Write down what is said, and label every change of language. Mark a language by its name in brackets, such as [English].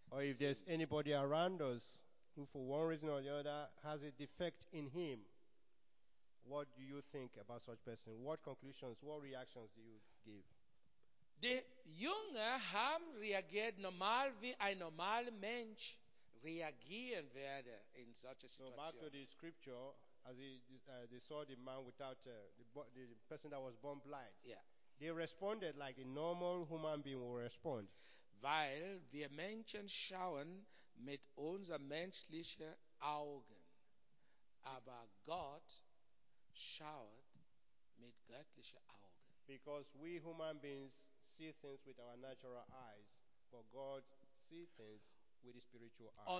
[English] Or if there's anybody around us who for one reason or the other has a defect in him, what do you think about such person? What conclusions, what reactions do you give? [German] Die Jünger haben reagiert normal, wie ein normaler Mensch reagieren würde in solcher Situation. [English] So back to the scripture, as they saw the man without the person that was born blind. Yeah. They responded like a normal human being will respond. [German] Weil wir Menschen schauen mit unseren menschlichen Augen, aber Gott schaut mit göttlichen Augen. [English] Because we human beings see things with our natural eyes, but God sees things with his spiritual eyes.